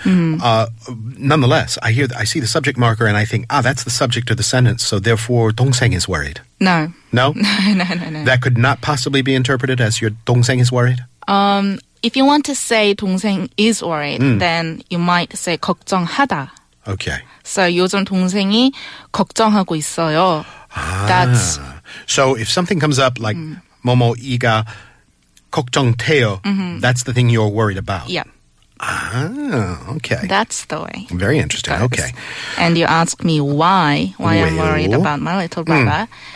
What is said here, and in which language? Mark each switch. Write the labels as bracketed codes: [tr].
[en] Nonetheless, I see the subject marker and I think, ah, that's the subject of the sentence, so therefore 동생 is worried. No. No? No. That could not possibly be interpreted as your 동생 is worried? If you want to say 동생 is worried, then you might say 걱정하다. Okay. So [ko] 요즘 동생이 걱정하고 있어요. [en] So if something comes up like [ko] 모모 이가 걱정돼요, [en] that's the thing you're worried about. Yeah. Ah, okay. That's the way. Very interesting. Okay. And you ask me why I'm worried about my little brother.